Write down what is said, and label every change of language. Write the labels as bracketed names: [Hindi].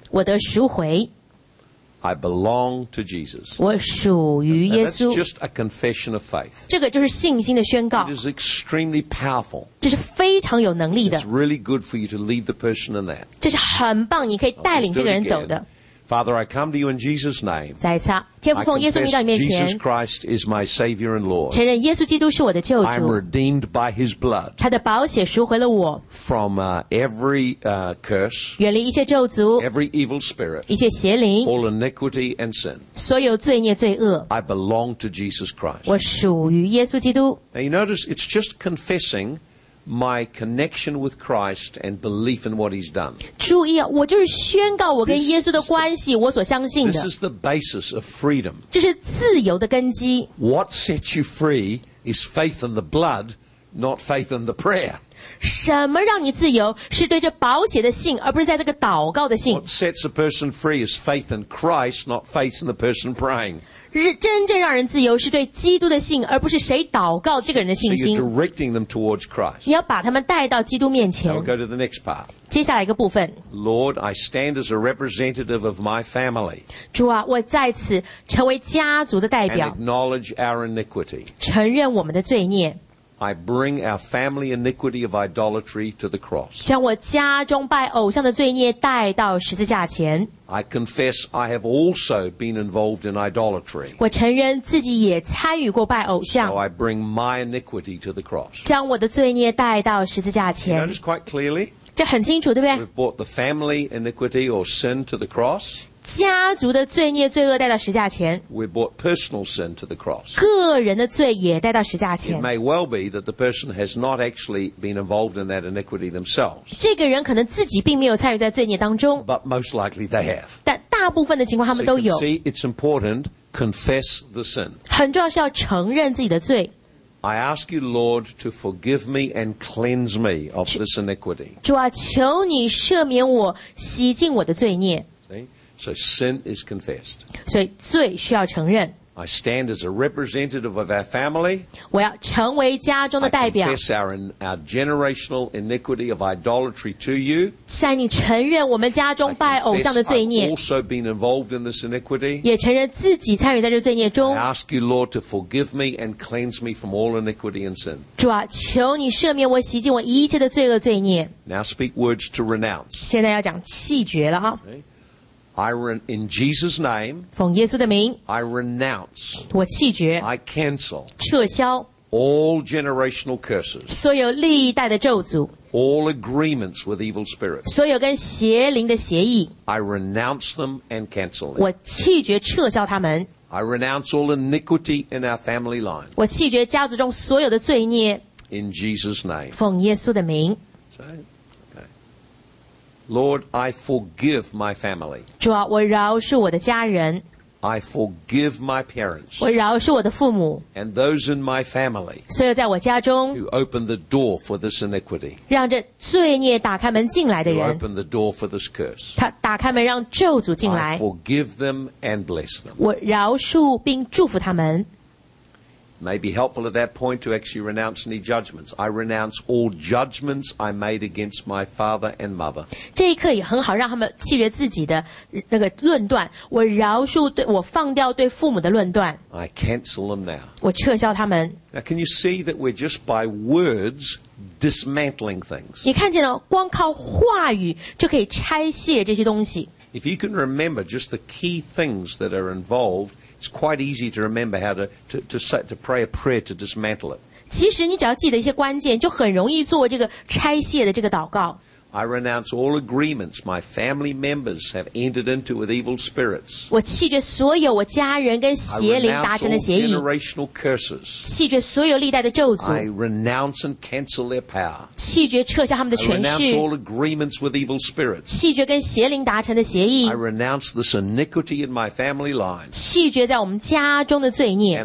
[Chinese] 我得赎回。 [English] I belong to Jesus. [Chinese] 我属于耶稣。 [English] That's just a confession of faith. [Chinese] 这个就是信心的宣告。 [English] It is extremely powerful. [Chinese] 这是非常有能力的。 [English] It's really good for you to lead the person in that. [Chinese] 这是很棒，你可以带领这个人走的。 [English] Father, I come to you in Jesus' name. [Chinese] 再一次，天父奉耶稣名到你面前。 [English] I confess Jesus Christ is my Savior and Lord. [Chinese] 承认耶稣基督是我的救主。 [English] I'm redeemed by His blood. [Chinese] 他的宝血赎回了我。 [English] From every curse. [Chinese] 远离一切咒诅。 [English] Every evil spirit. [Chinese] 一切邪灵。 [English] All iniquity and sin. [Chinese] 所有罪孽罪恶。 [English] I belong to Jesus Christ. [Chinese] 我属于耶稣基督。 [English] Now you notice it's just confessing. My connection with Christ and belief in what He's done. [Chinese] 注意啊，我就是宣告我跟耶稣的关系，我所相信的。 [English] This is the basis of freedom. [Chinese] 这是自由的根基。 [English] What sets you free is faith in the blood, not faith in the prayer. [Chinese] 什么让你自由？是对这宝血的信，而不是在这个祷告的信。 [English] What sets a person free is faith in Christ, not faith in the person praying. [Chinese] 真正让人自由是对基督的信而不是谁祷告这个人的信心 [English] so you're directing them towards Christ. [Chinese] 你要把他们带到基督面前 [English] Now go to the next part. [Chinese] 接下来一个部分 [English] Lord, I stand as a representative of my family. [Chinese] 主啊我在此成为家族的代表 [English] And acknowledge our iniquity. [Chinese] 承认我们的罪孽 [English] I bring our family iniquity of idolatry to the cross. [Chinese] 将我家中拜偶像的罪孽带到十字架前 [English] I confess I have also been involved in idolatry. [Chinese] 我承认自己也参与过拜偶像。 [English] So I bring my iniquity to the cross. [Chinese] 将我的罪孽带到十字架前。 [English] You notice quite clearly? [Chinese] 这很清楚对不对? [English] We've brought the family iniquity or sin to the cross. [Chinese] 家族的罪孽罪恶带到十字架前。 [English] We've brought personal sin to the cross. [Chinese] 个人的罪也带到十字架前。 [English] It may well be that the person has not actually been involved in that iniquity themselves. [Chinese] 这个人可能自己并没有参与在罪孽当中。 [English] But most likely they have. [Chinese] 但大部分的情况他们都有。 [English] So you can see, it's important, confess the sin. [Chinese] 很重要是要承认自己的罪。 [English] I ask you, Lord, to forgive me and cleanse me of this iniquity. [Chinese] 主啊，求你赦免我，洗净我的罪孽。 [English] So sin is confessed. [Chinese] 所以罪需要承认。 [English] I stand as a representative of our family. [Chinese] 我要成为家中的代表。 [English] I confess our generational iniquity of idolatry to you. [Chinese] 向你承认我们家中拜偶像的罪孽。 [English] I confess I've also been involved in this iniquity. [Chinese] 也承认自己参与在这罪孽中。 [English] I ask you, Lord, to forgive me and cleanse me from all iniquity and sin. [Chinese] 主啊，求你赦免我，洗净我一切的罪恶罪孽。 [English] Now speak words to renounce. [Chinese] 现在要讲弃绝了啊。 [English] Okay. In Jesus' name, [Chinese] 奉耶稣的名, [English] I renounce, [Chinese] 我弃绝, [English] I cancel, [Chinese] 撤销, [English] all generational curses, [Chinese] 所有历代的咒诅, [English] all agreements with evil spirits, [Chinese] 所有跟邪灵的协议, [English] I renounce them and cancel them, [Chinese] 我弃绝撤销他们, [English] I renounce all iniquity in our family line, [Chinese] 我弃绝家族中所有的罪孽, [English] in Jesus' name, [Chinese] 奉耶稣的名。 [English] Lord, I forgive my family. [Chinese] 主啊，我饶恕我的家人。 [English] I forgive my parents. [Chinese] 我饶恕我的父母。 [English] And those in my family. [Chinese] 所有在我家中。 [English] Who opened the door for this iniquity. [Chinese] 让这罪孽打开门进来的人。 [English] Who opened the door for this curse. [Chinese] 他打开门让咒诅进来。 [English] I forgive them and bless them. [Chinese] 我饶恕并祝福他们。 [English] May be helpful at that point to actually renounce any judgments. I renounce all judgments I made against my father and mother. [Chinese] 这一刻也很好让他们弃绝自己的那个论断。我饶恕对，我放掉对父母的论断。 [English] I cancel them now. [Chinese] 我撤销他们。 [English] Now can you see that we're just by words dismantling things? [Chinese] 你看见了，光靠话语就可以拆卸这些东西。 [English] If you can remember just the key things that are involved,It's quite easy to remember how to pray a prayer to dismantle it. [Chinese] 其实你只要记得一些关键，就很容易做这个拆卸的这个祷告。 [English] I renounce all agreements my family members have entered into with evil spirits. [Chinese] 我弃绝所有我家人跟邪灵达成的协议。 [English] I renounce all generational curses. [Chinese] 弃绝所有历代的咒诅。 [English] I renounce and cancel their power. [Chinese] 弃绝撤销他们的权势。 [English] I renounce all agreements with evil spirits. [Chinese] 弃绝跟邪灵达成的协议。 [English] I renounce this iniquity in my family line. [Chinese] 弃绝在我们家中的罪孽。